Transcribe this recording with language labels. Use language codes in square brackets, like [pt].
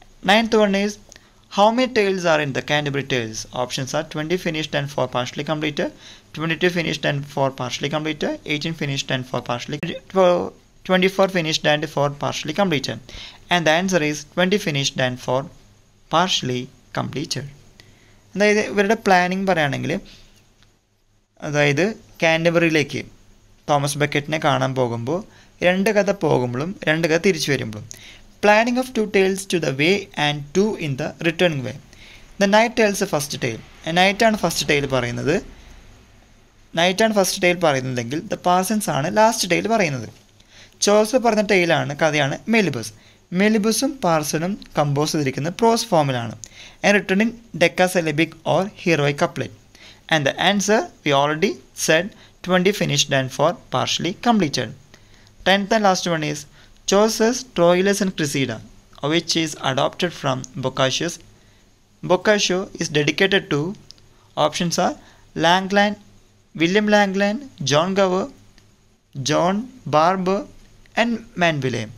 [en] Ninth one is, how many tales are in the Canterbury Tales? Options are 20 finished and 4 partially completed, 22 finished and 4 partially completed, 18 finished and 4 partially completed, 24 finished and 4 partially completed. And the answer is 20 finished and 4 partially completed. [ml] അതായത് ഇവരുടെ planning പറയുകയാണെങ്കിൽ, അതായത് കാൻറ്റബറിയിലേക്ക് Thomas ബക്കറ്റിനെ കാണാൻ പോകുമ്പോൾ രണ്ട് കഥ പോകുമ്പോഴും രണ്ട് കഥ തിരിച്ചു വരുമ്പോഴും. [en] Planning of two tales to the way and two in the returning way. The knight tells first tale. [ml] നൈറ്റാണ് first tail പറയുന്നത്. നൈറ്റാണ് ഫസ്റ്റ് ടെയിൽ പറയുന്നതെങ്കിൽ ദ പാസൻസ് ആണ് ലാസ്റ്റ് ടെയിൽ പറയുന്നത്. ചോസ് പറഞ്ഞ ടെയിലാണ് കഥയാണ് മെലിബസ്. മെലിബസും പാർസനും കമ്പോസ് ചെയ്തിരിക്കുന്നത് പ്രോസ് ഫോമിലാണ്. [en] And return in decasyllabic or heroic couplet. And the answer we already said 20 finished and 4 partially completed. 10th and last one is Chaucer's Troilus and Cressida, which is adopted from Boccaccio's. Boccaccio is dedicated to. Options are Langland, William Langland, John Gower, John Barber and Manville.